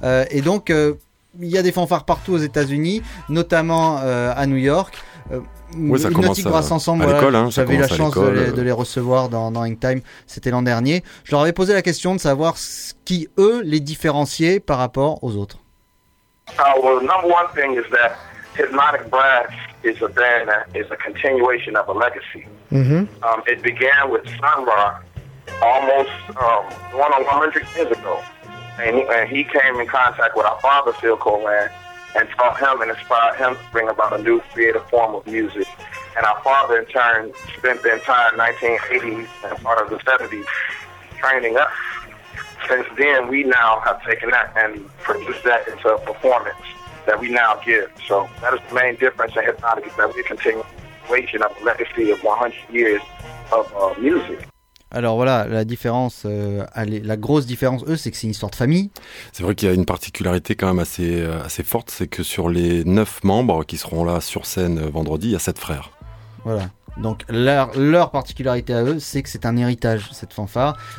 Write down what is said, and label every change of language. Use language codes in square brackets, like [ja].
[fr] Et donc il y a des fanfares partout aux États-Unis, notamment à New York. Ouais, ça commence [en] Brass Ensemble, [fr] à l'école, hein, j'avais eu la chance de les recevoir dans Hangtime, c'était l'an dernier. Je leur avais posé la question de savoir ce qui, eux, les différenciait par rapport aux autres. [en] Le number one thing is that Hypnotic Brass is a band that is a continuation of a legacy. Mm-hmm. It began with Sun Ra almost 100 years ago. And he came in contact with our father, Phil Collin, and taught him and inspired him to bring about a new creative form of music. And our father, in turn, spent the entire 1980s and part of the 70s training us. Since then, we now have taken that and produced that into a performance that we now give. So that is the main difference in hypnotic, is that we continue the waging of a legacy of 100 years of music. [fr] Alors voilà, la différence, la grosse différence, eux, c'est que c'est une histoire de famille. C'est vrai qu'il y a une particularité quand même assez forte, c'est que sur les 9 membres qui seront là sur scène vendredi, il y a 7 frères. Voilà. Donc leur particularité à eux, c'est que c'est un héritage, cette fanfare.